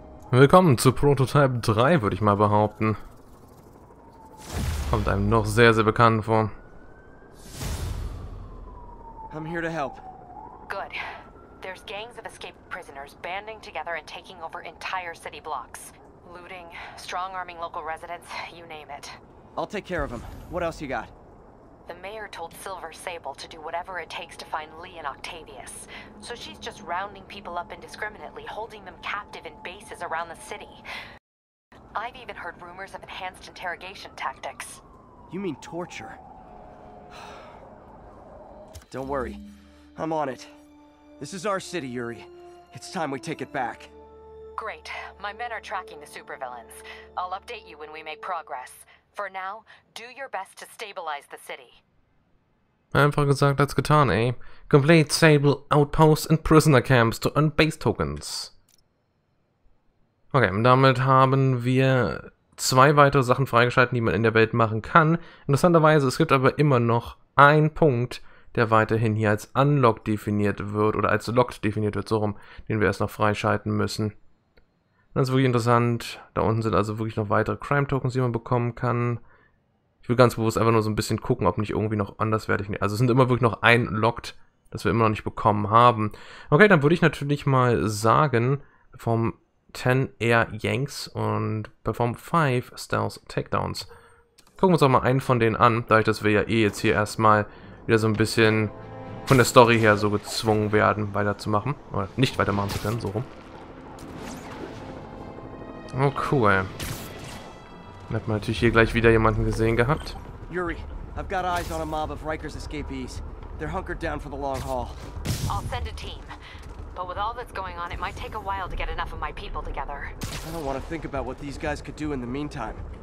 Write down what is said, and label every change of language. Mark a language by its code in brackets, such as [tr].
[de] Willkommen zu Prototype 3, würde ich mal behaupten. Kommt einem noch sehr, sehr bekannt vor. [en] I'm here to help. Good. There's gangs of escaped prisoners banding together and taking over entire city blocks. Looting, strong-arming local residents, you name it. I'll take care of him. What else you got? The mayor told Silver Sable to do whatever it takes to find Lee and Octavius. So she's just rounding people up indiscriminately, holding them captive in bases around the city. I've even heard rumors of enhanced interrogation tactics. You mean torture? Don't worry. I'm on it. This is our city, Yuri. It's time we take it back. Great. My men are tracking the supervillains. I'll update you when we make progress. For now, do your best to stabilize the city. [de] Einfach gesagt, als getan, ey. [en] Complete Sable outposts and prisoner camps to earn base tokens. [de] Okay, und damit haben wir zwei weitere Sachen freigeschaltet, die man in der Welt machen kann. Interessanterweise, es gibt aber immer noch einen Punkt, der weiterhin hier als unlocked definiert wird, oder als locked definiert wird, so rum, den wir erst noch freischalten müssen. Das ist wirklich interessant. Da unten sind also wirklich noch weitere Crime-Tokens, die man bekommen kann. Ich will ganz bewusst einfach nur so ein bisschen gucken, ob nicht irgendwie noch anderswertig. Also es sind immer wirklich noch unlocked, das wir immer noch nicht bekommen haben. Okay, dann würde ich natürlich mal sagen, [en] perform 10 Air Yanks [de] und [en] perform 5 Stealth Takedowns. [de] Gucken wir uns auch mal einen von denen an, dadurch, dass wir ja eh jetzt hier erstmal wieder so ein bisschen von der Story her so gezwungen werden, weiterzumachen. Oder nicht weitermachen zu können, so rum. Oh cool. Dann hat man natürlich hier gleich wieder jemanden gesehen gehabt. [en] Yuri, I've got eyes on a mob of Riker's escapees. They're hunkered down for the long haul. I'll send a team. But with all that's going on, it might take a while to get enough of my people together. I don't want to think about what these guys could do in the meantime.